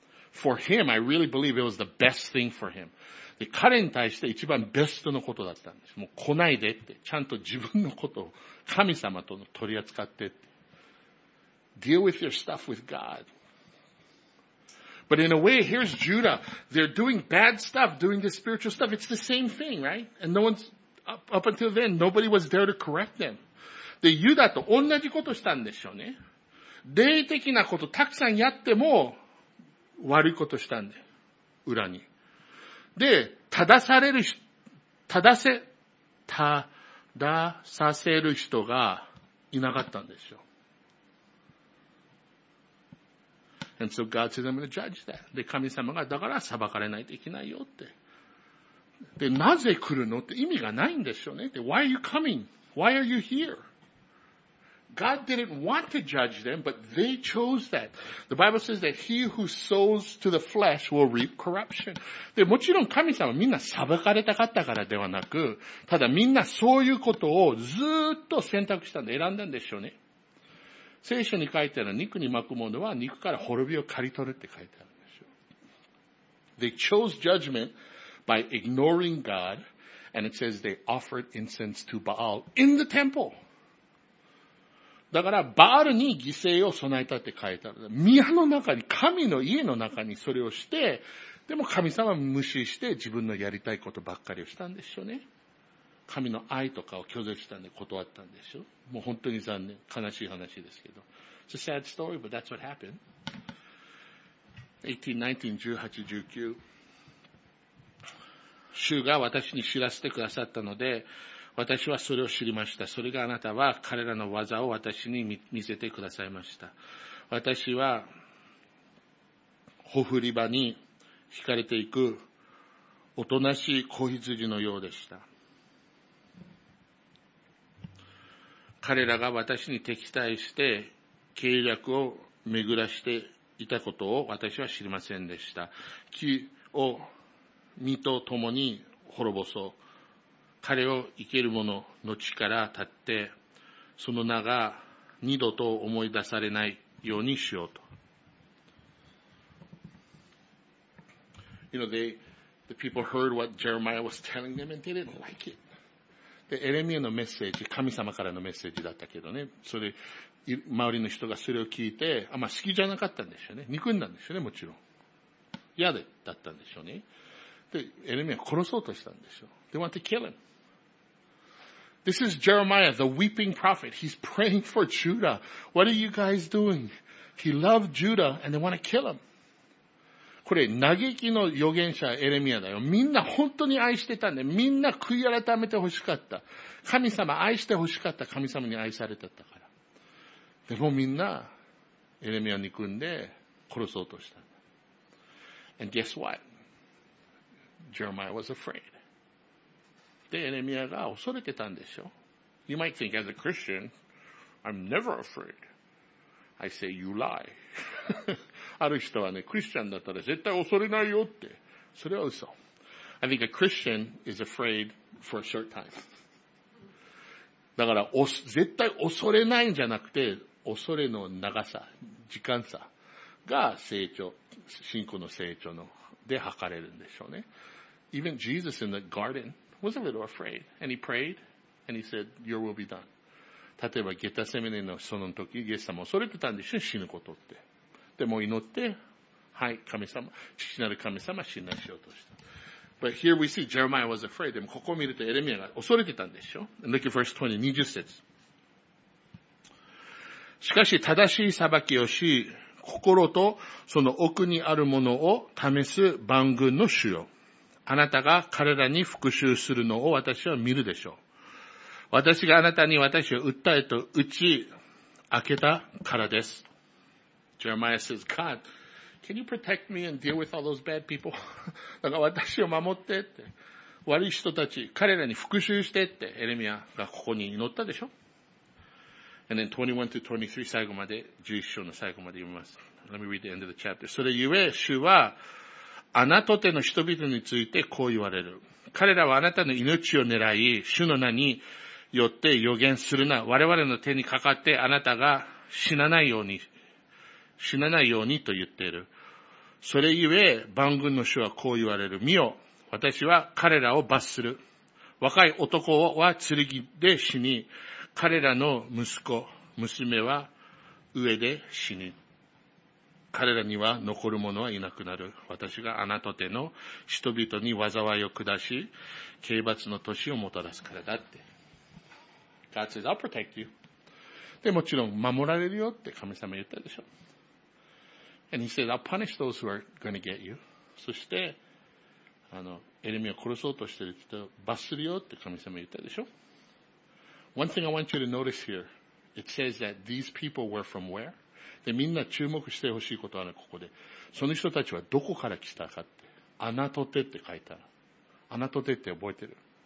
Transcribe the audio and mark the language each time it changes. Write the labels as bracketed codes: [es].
[en] For him, I really believe it was the best thing for him. [ja] で、彼に対して一番ベストのことだったんです。もう来ないでって、ちゃんと自分のことを神様との取り扱ってって。 [en] Deal with your stuff with God. But in a way, here's Judah. They're doing bad stuff, doing this spiritual stuff. It's the same thing, right? And no one's, up until then, nobody was there to correct them. [ja] で、ユダと同じことしたんでしょうね。霊的なことたくさんやっても、悪いことしたんで、裏に。で、正させる人がいなかったんでしょう。 [en] And so God says, I'm going to judge that. [ja] で、神様が、だから裁かれないといけないよって。で、なぜ来るのって意味がないんでしょうね。で、 [en] Why are you coming? Why are you here? God didn't want to judge them, but they chose that. The Bible says that he who sows to the flesh will reap corruption. [ja] で、もちろん神様みんな裁かれたかったからではなく、ただみんなそういうことをずっと選択したんで選んだんでしょうね。聖書に書いてある肉に巻くものは肉から滅びを刈り取るって書いてあるんですよ。 [en] They chose judgment by ignoring God, and it says they offered incense to Baal in the temple. [ja] だから、バールに犠牲を備えたって書いてある。宮の中に、神の家の中にそれをして、でも神様を無視して自分のやりたいことばっかりをしたんでしょうね。神の愛とかを拒絶したんで断ったんでしょう。もう本当に残念。悲しい話ですけど。 [en] It's a sad story, but that's what happened. 18:19-18:19。 [ja] 主が私に知らせてくださったので、私はそれを知りました。それがあなたは彼らの技を私に見せてくださいました。私は、ほふり場に惹かれていく、おとなしい子羊のようでした。彼らが私に敵対して、計略を巡らしていたことを私は知りませんでした。木を実と共に滅ぼそう。彼を生ける者の地から立って、その名が二度と思い出されないようにしようと。 [en] You know, the people heard what Jeremiah was telling them and they didn't like it. [ja] で、エレミアのメッセージ、神様からのメッセージだったけどね、それ、周りの人がそれを聞いて、あんま好きじゃなかったんでしょうね。憎んだんでしょうね、もちろん。嫌で、だったんでしょうね。で、エレミア殺そうとしたんでしょう。 [en] They want to kill him. This is Jeremiah, the weeping prophet. He's praying for Judah. What are you guys doing? He loved Judah and they want to kill him. [ja] これ、嘆きの預言者エレミアだよ。みんな本当に愛してたんで、みんな悔い改めて欲しかった。神様愛して欲しかった。神様に愛されてたから。でもみんな、エレミア憎んで殺そうとした。 [en] And guess what? Jeremiah was afraid. [ja] で、エレミアが恐れてたんでしょ。 [en] You might think as a Christian, I'm never afraid. I say you lie. [ja] ある人はね、クリスチャンだったら絶対恐れないよって。それは嘘。 [en] I think a Christian is afraid for a short time. [ja] だから、絶対恐れないんじゃなくて、恐れの長さ、時間差が成長、信仰の成長ので測れるんでしょうね。 [en] Even Jesus in the garden,was a little afraid, and he prayed, and he said, your will be done. [ja] 例えば、ゲタセメネのその時、イエス様を恐れてたんでしょ、死ぬことって。でも祈って、はい、神様、父なる神様、信頼しようとした。 [en] But here we see Jeremiah was afraid. [ja] でも、ここを見るとエレミアが恐れてたんでしょ。 [en] And look at verse 20, [ja] 20節。しかし、正しい裁きをし、心とその奥にあるものを試す万軍の主よ。あなたが彼らに復讐するのを私は見るでしょう。私があなたに私を訴えと打ち明けたからです。 [en] Jeremiah says, God, can you protect me and deal with all those bad people? [ja] だから私を守ってって。悪い人たち、彼らに復讐してって、エレミアがここに祈ったでしょ。 [en] And then 21 to 23 [ja] 最後まで、11章の最後まで読みます。 [en] Let me read the end of the chapter. [ja] それゆえ、主は、アナトテの人々についてこう言われる。彼らはあなたの命を狙い、主の名によって予言するな。我々の手にかかってあなたが死なないように、死なないようにと言っている。それゆえ、万軍の主はこう言われる。見よ、私は彼らを罰する。若い男は剣で死に、彼らの息子、娘は飢えで死に。彼らには残る者はいなくなる。私があなたとての人々に災いを下し、刑罰の年をもたらすからだって。 [en] God says, I'll protect you. [ja] で、もちろん守られるよって神様言ったでしょ。 [en] And he said, I'll punish those who are going to get you. [ja] そして、エレミアを殺そうとしてる人を罰するよって神様言ったでしょ。 [en] One thing I want you to notice here, it says that these people were from where? [ja] で、みんな注目してほしいことはね、ここで。その人たちはどこから来たかって。アナトテって書いたの。アナトテって覚えてる。